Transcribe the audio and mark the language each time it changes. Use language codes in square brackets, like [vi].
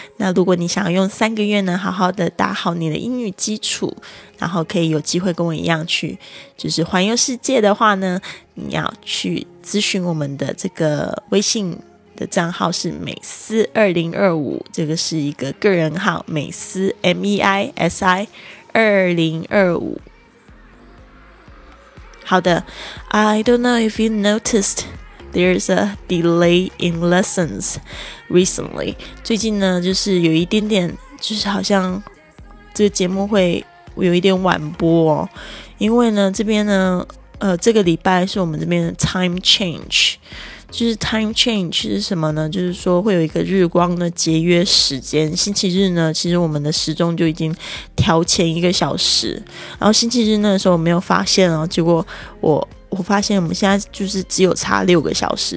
[zh] 那如果你想要用三个月呢好好的打好你的英语基础，然后可以有机会跟我一样去就是环游世界的话呢，你要去咨询我们的这个微信的账号是美思2025，这个是一个个人号，美思 M-E-I-S-I 2025。好的， [en] I don't know if you noticed there's a delay in lessons recently. [zh] 最近呢就是有一点点，就是好像这个节目会有一点晚播哦。因为呢这边呢这个礼拜是我们这边的 time change。就是 time change 是什么呢，就是说会有一个日光的节约时间，星期日呢其实我们的时钟就已经调前一个小时，然后星期日那时候我没有发现，然后结果我发现我们现在就是只有差六个小时。